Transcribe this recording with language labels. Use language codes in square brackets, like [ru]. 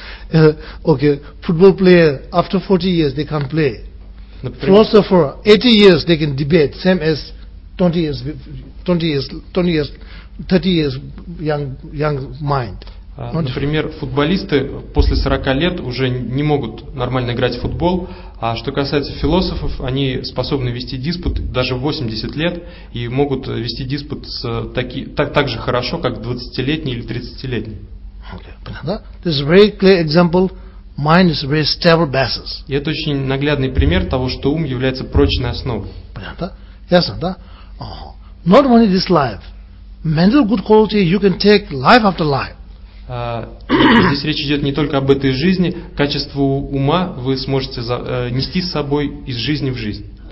[en] Okay, football player after 40 years they can't play. Philosopher 80 years they can debate, same as 30 years young mind. [ru] Например, футболисты после 40 лет уже не могут нормально играть в футбол, а что касается философов, они способны вести диспут даже 80 лет и могут вести диспут с так же хорошо, как 20-летний или 30-летний. [en] Okay. This is a very clear example. Mind is a very stable basis. [ru] И это очень наглядный пример того, что ум является прочной основой. Понятно? Ясно, да? [en] Not only this life. Mental good quality you can take life after life. [ru] Здесь речь идет не только об этой жизни, качество ума вы сможете нести с собой из жизни в жизнь.